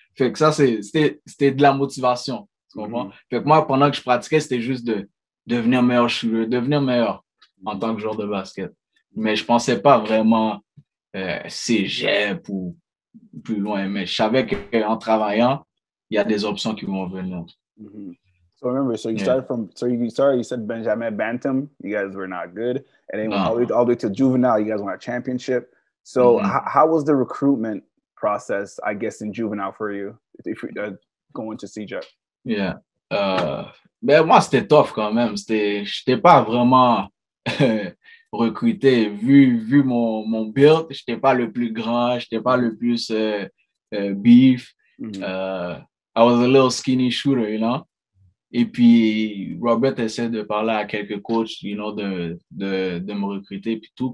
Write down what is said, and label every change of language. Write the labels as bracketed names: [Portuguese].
[French] Fait que ça, c'était de la motivation. Tu comprends? Fait que moi, pendant que je pratiquais, c'était juste de devenir meilleur shooter, devenir meilleur en tant que joueur de basket. Mais je pensais pas vraiment cégep ou plus loin. Mais je savais qu'en travaillant, il y a des options qui vont venir. [English] So remember, so you started from, so you started, you said Benjamin Bantam, you guys were not good, and then [French] Non. [English] all the way to juvenile, you guys won a championship. So how was the recruitment process, I guess, in juvenile for you, if you're going to CJ? [French] Ben moi c'était tough quand même. C'était, j'étais pas vraiment recruté vu mon build. J'étais pas le plus grand, j'étais pas le plus beef. [English] I was a little skinny shooter, [French] Et puis Robert essaie de parler à quelques coachs, de me recruter puis tout.